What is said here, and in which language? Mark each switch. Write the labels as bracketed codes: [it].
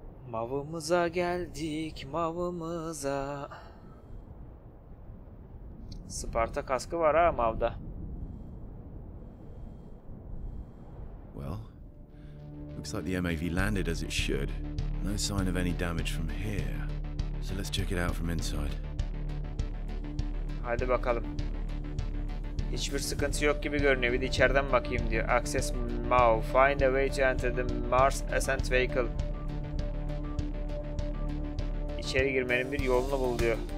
[tr] Mavımıza geldik, mavımıza. Sparta kaskı var ha Mav'da. [en] Well, looks like the MAV landed as it should. No sign of any damage from here. So let's check it out from inside. [tr] Haydi bakalım. Hiçbir sıkıntı yok gibi görünüyor. Bir de içeriden bakayım diyor. [en] Access MAU. Find a way to enter the Mars Ascent Vehicle. [tr] İçeri girmenin bir yolunu bul diyor.